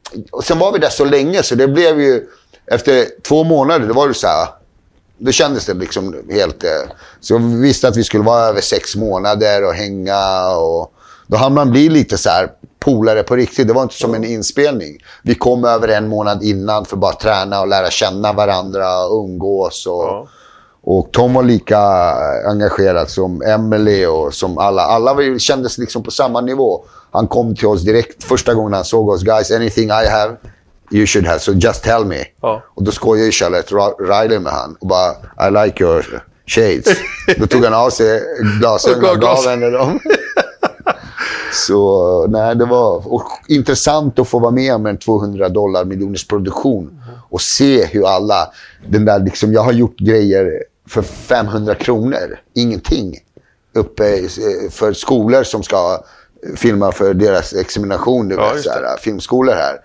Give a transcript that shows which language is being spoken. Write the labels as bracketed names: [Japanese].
[Swedish] Och sen var vi där så länge, så det blev ju efter 2 månader, det var ju så här, det kändes det liksom helt, så vi visste att vi skulle vara över 6 månader och hänga, och då hann man bli lite så här polare på riktigt. Det var inte som en inspelning. Vi kom över 1 månad innan för bara träna och lära känna varandra och umgås och, ja. Och Tom var lika engagerad som Emily och som alla. Alla kändes liksom på samma nivå. Han kom till oss direkt första gången han såg oss. [English] Guys, anything I have, you should have. So just tell me. [Swedish] Ja. Och då skojade Charlotte Riley med han. Och bara, [English] I like your shades. [Swedish] Då tog han av sig glasögonen och gav henne dem. Så nej, det var intressant att få vara med om en 200 dollar miljoners produktion. Och se hur alla, den där liksom, jag har gjort grejer för 500 kronor, ingenting, uppe för skolor som ska filma för deras examination, ja, så här, filmskolor här.